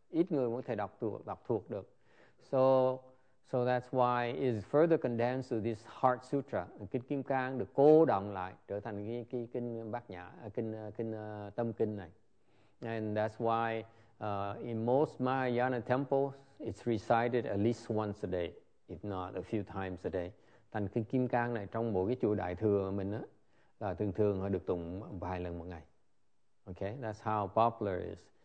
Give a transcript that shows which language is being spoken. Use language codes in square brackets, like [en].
[vi] Ít người có thể đọc thuộc được. [en] So that's why it's further condensed to this Heart Sutra. [vi] Kinh Kim Cang được cô đọng lại trở thành cái kinh Bát Nhã, kinh tâm kinh này. [en] And that's why in most Mahayana temples it's recited at least once a day, if not a few times a day. [vi] Thành kinh Kim Cang này trong mỗi cái chùa Đại Thừa mình á là thường thường họ được tụng vài lần một ngày. [en] Okay, that's how popular it is.